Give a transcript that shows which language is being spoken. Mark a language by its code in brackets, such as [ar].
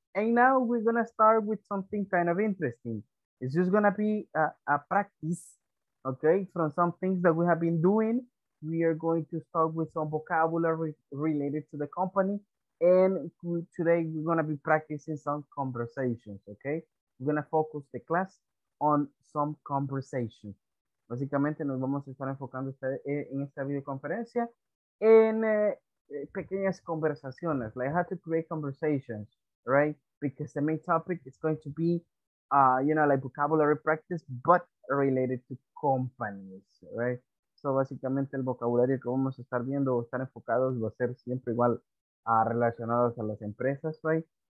[en] And now we're going to start with something kind of interesting. It's just going to be a practice, okay, from some things that we have been doing. We are going to start with some vocabulary related to the company. And today we're going to be practicing some conversations, okay? We're going to focus the class on some conversations. [es] Básicamente nos vamos a estar enfocando en esta videoconferencia en pequeñas conversaciones. [en] Like, how to create conversations, right? Because the main topic is going to be, you know, like vocabulary practice, but related to companies, right? [es] So, básicamente el vocabulario que vamos a estar viendo o estar enfocados va a ser siempre igual a relacionados a las empresas, right?